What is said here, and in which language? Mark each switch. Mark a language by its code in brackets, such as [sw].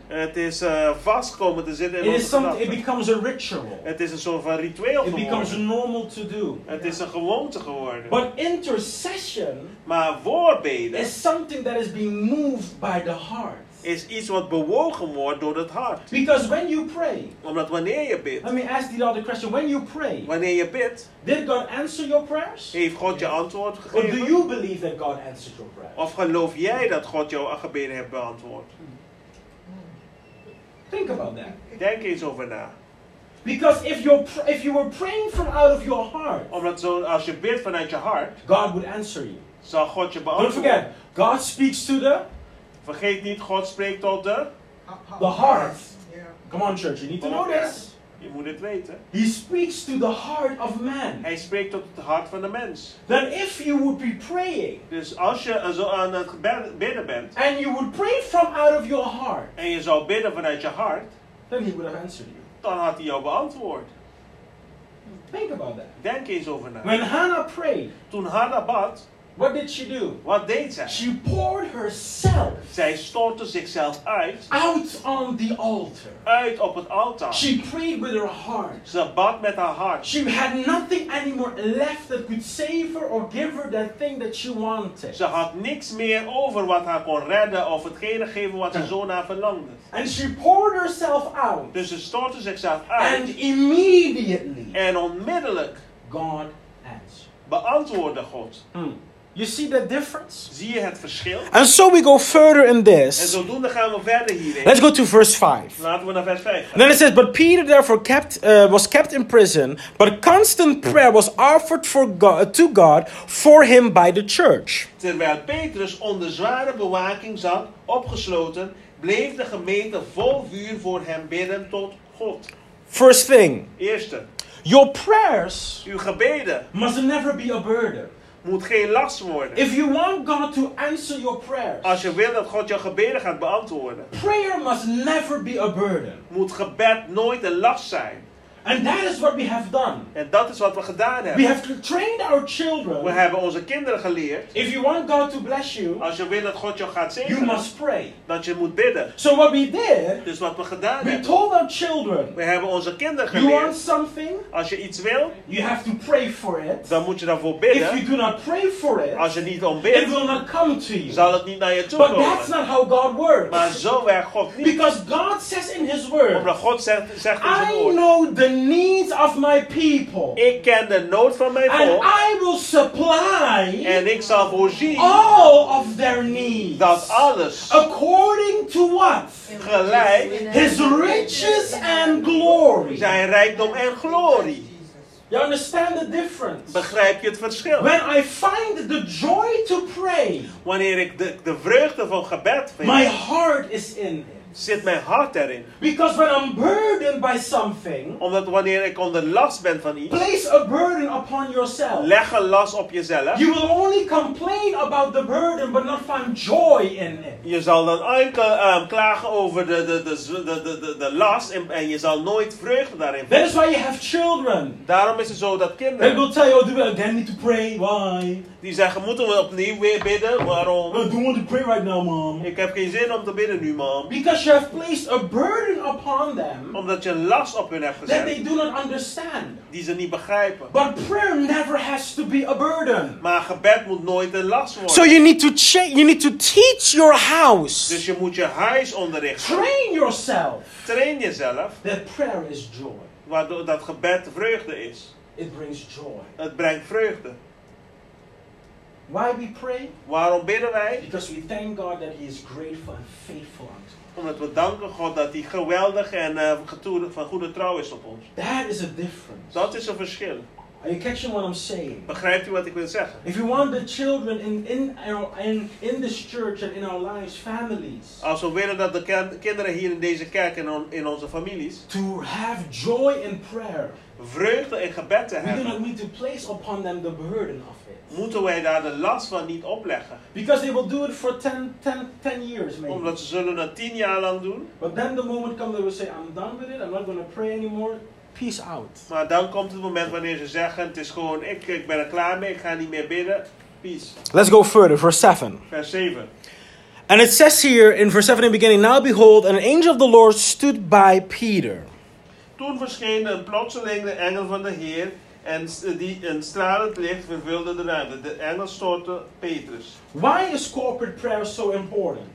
[nl] Het is vast komen te zitten in [en] it [nl] onze gedachten. [en] It becomes a ritual. [nl] Het is een soort van ritueel [en] it [nl] geworden. [en] It becomes normal to do. [nl] Het is een gewoonte geworden. [en] But intercession, [nl] maar voorbeden, [en] is something that is being moved by the heart. [nl] Is iets wat bewogen wordt door het hart. [en] Because when you pray, [nl] omdat wanneer je bidt. [en] Let me ask the other question. When you pray, [nl] wanneer je bidt. [en] Did God answer your prayers? [nl] Heeft God je antwoord gegeven? [en] Or do you believe that God answered your prayers? [nl] Of geloof jij dat God jouw gebeden heeft beantwoord? [en] Think about that. [nl] Denk eens over na. [en] Because if you were praying from out of your heart, [nl] omdat zo, als je bidt vanuit je hart, [en] God would answer you. [nl] Zal God je beantwoorden. [en] Don't forget, God speaks to the. [nl] Vergeet niet, God spreekt tot de... [en] The heart. Come on, church, you need to know this. [nl] Je moet het weten. [en] He speaks to the heart of man. [nl] Hij spreekt tot het hart van de mens. [en] Then if you would be praying... [nl] Dus als je zo aan het bidden bent... [en] And you would pray from out of your heart... [nl] En je zou bidden vanuit je hart... [en] Then he would have answered you. [nl] Dan had hij jou beantwoord. [en] Think about that. [nl] Denk eens over na. [en] When Hannah prayed... [nl] Toen Hannah bad... [en] What did she do? [nl] Wat deed zij? [en] She poured herself. [nl] Zij stortte zichzelf uit. [en] Out on the altar. [nl] Uit op het altaar. [en] She prayed with her heart. [nl] Ze bad met haar hart. [en] She had nothing anymore left that could save her or give her that thing that she wanted. [nl] Ze had niks meer over wat haar kon redden of hetgene geven wat ze zo naar verlangde. [en] And she poured herself out. [nl] Dus ze stortte zichzelf uit. [en] And immediately. [nl] En onmiddellijk. [en] God answered. [nl] Beantwoordde God. [en] Hmm. You see the difference? [nl] Zie je het verschil? [en] And so we go further in this. [nl] En zodoende gaan we verder hierin. [en] Let's go to verse 5. [nl] Laten we naar vers 5 gaan. [en] And then it says, but Peter therefore kept was kept in prison, but constant prayer was offered for God, to God for him by the church. [nl] Terwijl Petrus onder zware bewaking zat, opgesloten, bleef de gemeente vol vuur voor hem bidden tot God. [en] First thing. [nl] Eerste. [en] Your prayers. [nl] Uw gebeden. [en] Must never be a burden. [nl] Moet geen last worden. [en] If you want God to answer your prayers, [nl] als je wil dat God jouw gebeden gaat beantwoorden, [en] prayer must never be a burden. [nl] Moet gebed nooit een last zijn. [en] And that is what we have done. [nl] En dat is wat we gedaan hebben. [en] We have trained our children. [nl] We hebben onze kinderen geleerd. [en] If you want God to bless you, [nl] als je wil dat God jou gaat zegenen, [en] you must pray. [nl] Dat je moet bidden. [en] So what we did, [nl] dus wat we gedaan [en] we [nl] hebben. [en] We told our children. [nl] We hebben onze kinderen [en] you [nl] geleerd. [en] You want something? [nl] Als je iets wil, [en] you have to pray for it. [nl] Dan moet je daarvoor bidden. [en] If you do not pray for it, [nl] als je niet om bidt, [en] it will not come to you. [nl] Zal het niet naar je toe [en] But [nl] komen. [en] But that's not how God works. [nl] Maar zo werkt God niet. [en] Because God says in His word. [nl] Omdat God zegt in zijn woord. [en] I know the needs of my people. [nl] Ik ken de nood van mijn [en] and [nl] volk. [en] I will supply [nl] en ik zal voorzien [en] all of their needs. [nl] Dat alles. [en] According to what? [nl] Gelijk. [en] His riches and glory. [nl] Zijn rijkdom en glorie. [en] You understand the difference? [nl] Begrijp je het verschil? [en] When I find the joy to pray. [nl] Wanneer ik de vreugde van gebed vind. [en] My heart is in it. [nl] Zit mijn hart erin. [en] Because when I'm burdened by something, [nl] omdat wanneer ik onder last ben van iets, [en] place a burden upon yourself. [nl] Leg een last op jezelf. [en] You will only complain about the burden, but not find joy in it. [nl] Je zal dan enkel klagen over de last en je zal nooit vreugde daarin vinden. [en] That is why you have children. [nl] Daarom is het zo dat kinderen. [en] They will tell you, oh, do we again need to pray? Why? [nl] Die zeggen, moeten we opnieuw weer bidden? Waarom? [en] I don't want to pray right now, mom. [nl] Ik heb geen zin om te bidden nu, mom. [en] Because you have placed a burden upon them. [nl] Omdat je last op hun hebt gezet. [en] That they do not understand. [nl] Die ze niet begrijpen. [en] But prayer never has to be a burden. [nl] Maar gebed moet nooit een last worden. [en] So you need to teach your house. [nl] Dus je moet je huis onderrichten. [en] Train yourself. [nl] Train jezelf. [en] That prayer is joy. [nl] Waardoor dat gebed vreugde is. [en] It brings joy. [nl] Het brengt vreugde. [en] Why we pray? [nl] Waarom bidden wij? [en] Because we thank God that He is grateful and faithful unto us. [nl] Omdat we danken God dat Hij geweldig en van goede trouw is op ons. [en] That is a difference. [nl] Dat is een verschil. [en] Are you catching what I'm saying? [nl] Begrijpt u wat ik wil zeggen? [en] If you want the children in this church and in our lives, families. [nl] Als we willen dat de kinderen hier in deze kerk en in onze families. [en] To have joy in prayer. [nl] Vreugde in gebed te hebben. [en] We do not need to place upon them the burden of it. [nl] Moeten wij daar de last van niet opleggen? [en] Because they will do it for 10 years maybe. [nl] Omdat ze zullen dat 10 jaar lang doen. [en] But then the moment comes they will say, I'm done with it. I'm not going to pray anymore. Peace out. [nl] Maar dan komt het moment wanneer ze zeggen, het is gewoon, ik ben er klaar mee, ik ga niet meer bidden. [en] Peace. Let's go further, verse 7. [nl] Vers 7. [en] And it says here in verse 7 in the beginning, now behold, an angel of the Lord stood by Peter. [nl] Toen verscheen een plotseling de engel van de Heer, en die een stralend licht vervulde de ruimte. De engel stortte Petrus. [en] Why is corporate prayer so important?